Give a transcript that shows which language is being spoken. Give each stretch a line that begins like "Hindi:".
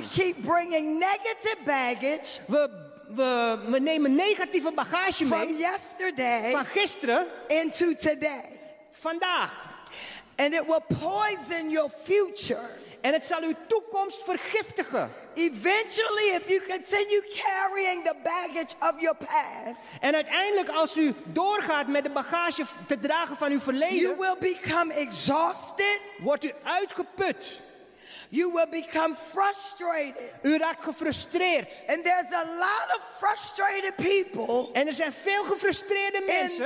English: We keep bringing negative baggage.
Dutch: We nemen negatieve bagage
English: from
Dutch: mee.
English: Yesterday
Dutch: van gisteren.
English: Into today.
Dutch: Vandaag.
English: And it will poison your future.
Dutch: En het zal uw toekomst vergiftigen.
English: Eventually, if you continue carrying the baggage of your past,
Dutch: en uiteindelijk als u doorgaat met de bagage te dragen van uw verleden,
English: you will become exhausted.
Dutch: Wordt u uitgeput.
English: You will become frustrated.
Dutch: U raakt gefrustreerd.
English: And there's a lot of frustrated people.
Dutch: En er zijn veel gefrustreerde mensen.